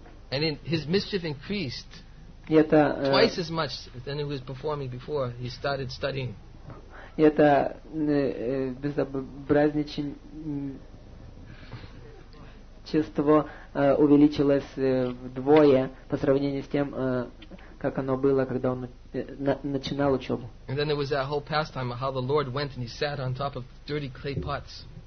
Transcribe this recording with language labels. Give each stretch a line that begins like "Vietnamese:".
English: And his mischief increased.
Russian: Это,
English: twice as much than he was performing before he started studying.
Russian: Это безобразничество увеличилось вдвое по сравнению с тем, как оно было, когда он начинал учебу.
English: And then there was that whole pastime of how the Lord went and he sat on top of dirty clay pots.